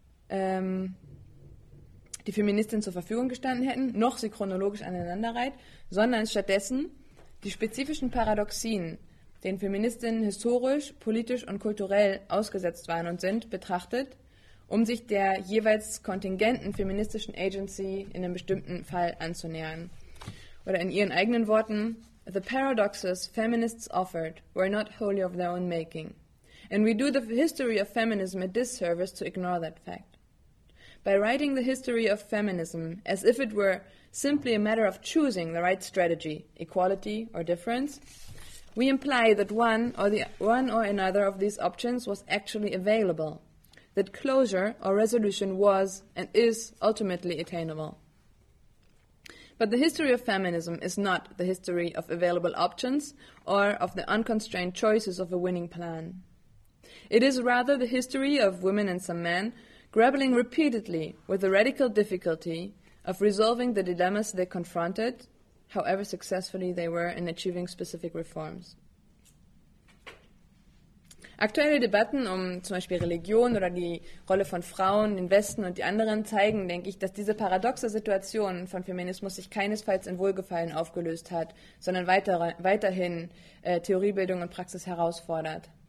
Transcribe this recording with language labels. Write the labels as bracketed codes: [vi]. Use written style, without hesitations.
[de] die Feministinnen zur Verfügung gestanden hätten, noch sie chronologisch aneinanderreiht, sondern stattdessen die spezifischen Paradoxien, denen Feministinnen historisch, politisch und kulturell ausgesetzt waren und sind, betrachtet, um sich der jeweils kontingenten feministischen Agency in einem bestimmten Fall anzunähern. Oder in ihren eigenen Worten, [en] the paradoxes feminists offered were not wholly of their own making. And we do the history of feminism a disservice to ignore that fact. By writing the history of feminism as if it were simply a matter of choosing the right strategy, equality or difference, we imply that one or another of these options was actually available, that closure or resolution was and is ultimately attainable. But the history of feminism is not the history of available options or of the unconstrained choices of a winning plan. It is rather the history of women and some men grappling repeatedly with the radical difficulty of resolving the dilemmas they confronted, however successfully they were in achieving specific reforms. [de] Aktuelle Debatten um zum Beispiel Religion oder die Rolle von Frauen im Westen und die anderen zeigen, denke ich, dass diese paradoxe Situation von Feminismus sich keinesfalls in Wohlgefallen aufgelöst hat, sondern weiterhin Theoriebildung und Praxis herausfordert.